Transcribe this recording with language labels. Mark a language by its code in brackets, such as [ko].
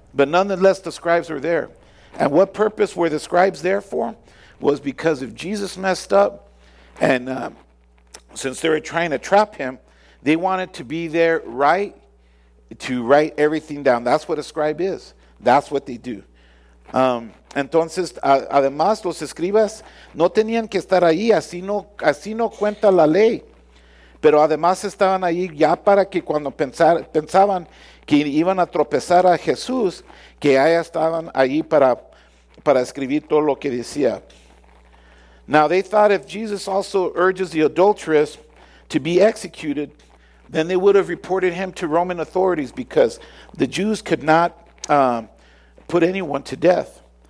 [en] But nonetheless, the scribes were there. And what purpose were the scribes there for? Was because if Jesus messed up, and since they were trying to trap him, they wanted to be there right to write everything down. That's what a scribe is. That's what they do. [es] Entonces, además, los escribas no tenían que estar ahí, así no cuenta la ley. Pero además estaban ahí ya para que cuando pensaban que iban a tropezar a Jesús, que ya estaban ahí para escribir todo lo que decía. [en] Now, they thought if Jesus also urges the adulteress to be executed, then they would have reported him to Roman authorities because the Jews could not put anyone to death.